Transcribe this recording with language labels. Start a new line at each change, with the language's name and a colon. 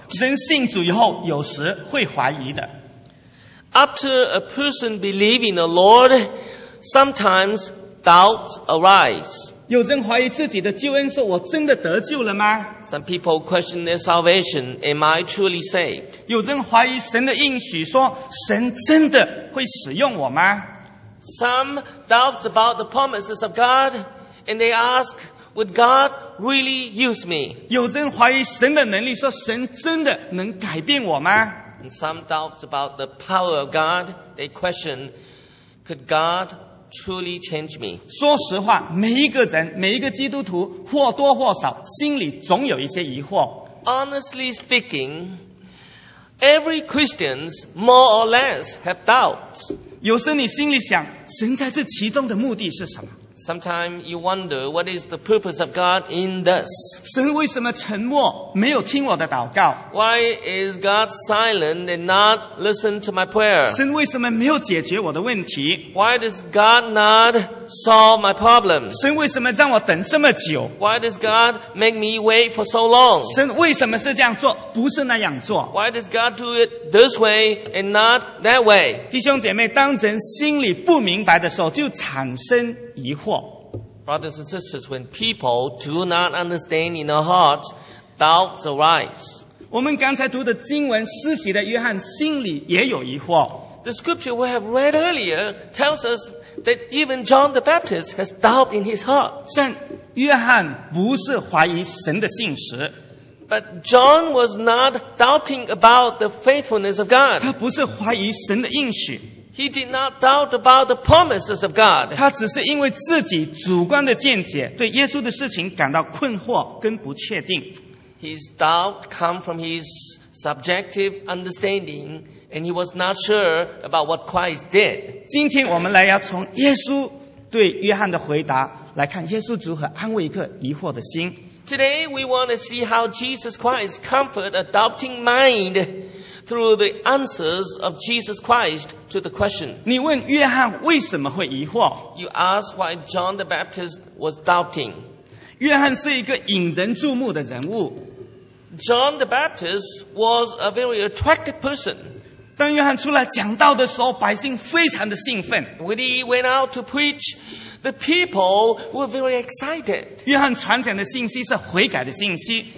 Chinese: 人信主以后有时会怀疑的。
English: After a person believes in the Lord, sometimes doubts arise.
Chinese: 有人怀疑自己的救恩，说我真的得救了吗？
English: Some people question their salvation, am I truly saved?
Chinese: 有人怀疑神的应许，说神真的会使用我吗？
English: Some doubt about the promises of God, and they ask, would God really use me?
Chinese: 有人怀疑神的能力，说神真的能改变我吗？
English: And some doubt about the power of God, they question, could God truly change me?
Chinese: 说实话，每一个人，每一个基督徒，或多或少，心里总有一些疑惑。
English: Honestly speaking, every Christians more or less have doubts.
Chinese: 有时你心里想，神在这其中的目的是什么？
English: Sometimes you wonder what is the purpose of God in this.
Chinese: 神为什么沉默，没有听我的祷告？
English: Why is God silent and not listen to my prayer?
Chinese: 神为什么没有解决我的问题？
English: Why does God not solve my problem?
Chinese: 神为什么让我等这么久？
English: Why does God make me wait for so long?
Chinese: 神为什么是这样做，不是那样做？
English: Why does God do it this way and not that way?
Chinese: 弟兄姐妹，当人心里不明白的时候，就产生疑惑。
English: Brothers and sisters, when people do not understand in their hearts, doubts arise.
Chinese: 我们刚才读的经文，施洗的约翰心里也有疑惑。
English: The scripture we have read earlier tells us that even John the Baptist has doubt in his heart.
Chinese: 但约翰不是怀疑神的信实。
English: But John was not doubting about the faithfulness of God.
Chinese: 他不是怀疑神的应许。
English: He did not doubt about the promises of God.
Chinese: 他只是因为自己主观的见解，对耶稣的事情感到困惑跟不确定。
English: His doubt came from his subjective understanding, and he was not sure about what Christ did.
Chinese: 今天我们来要从耶稣对约翰的回答来看耶稣如何安慰一个疑惑的心。
English: Today we want to see how Jesus Christ comforted a doubting mind through the answers of Jesus Christ to the question.
Chinese: 你问约翰为什么会疑惑？
English: You ask why John the Baptist was doubting.
Chinese: 约翰是一个引人注目的人物。
English: John the Baptist was a very attractive person.
Chinese: 当约翰出来讲道的时候，百姓非常的兴奋。
English: When he went out to preach, the people were very excited.
Chinese: 约翰传讲的信息是悔改的信息。